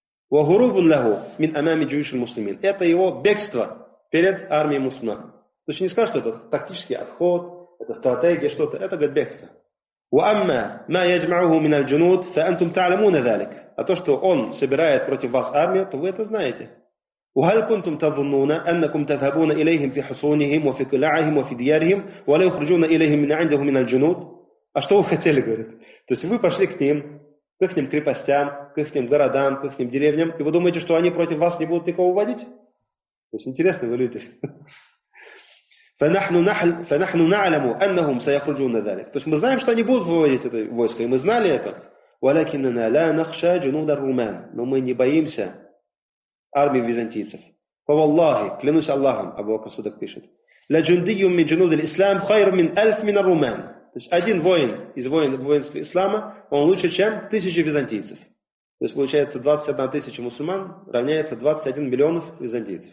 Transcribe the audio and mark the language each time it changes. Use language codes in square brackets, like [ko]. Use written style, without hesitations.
[ar] وَهُرُوبٌ لَهُ مِنْ أَمَامِ جُيُشِ الْمُسْلِمِينَ. [ru] Это его бегство перед армией мусульман. То есть не скажешь, что это тактический отход, это стратегия, что-то. Это, говорит, бегство. [ar] وَأَمَّا مَا يَجْمَعُهُ مِنَ الْجُنُودِ فَأَنْتُمْ تَعْلَمُونَ ذَلِكَ. [ru] А то, что он собирает против вас армию, то вы это знаете. [ar] وهل كنتم تظنون أنكم تذهبون إليهم في حصونهم وفي قلاعهم وفي ديارهم ولا يخرجون إليهم من عندهم من الجنود؟ [ru] А что вы хотели, говорит? То есть вы пошли к ним, к их крепостям, к их городам, к их деревням, и вы думаете, что они против вас не будут никого уводить? То есть интересно, вы люди. [ar] فنحن نعلم أنهم سيخرجون ذلك. [ru] То есть мы знаем, что они будут выводить это войско, и мы знали это. [ar] ولكننا لا نخشى جنود الرومان. [ru] Но мы не боимся армии византийцев. Фаваллахи, клянусь Аллахом, Абу-Бакр ас-Сиддик пишет. [ar] Ля джундийум мин джунуд аль-ислам хайр мин альф мин ар-румян. [ru] То есть один воин из воинства ислама, он лучше, чем тысячи византийцев. То есть получается 21 тысяча мусульман равняется 21 миллионов византийцев.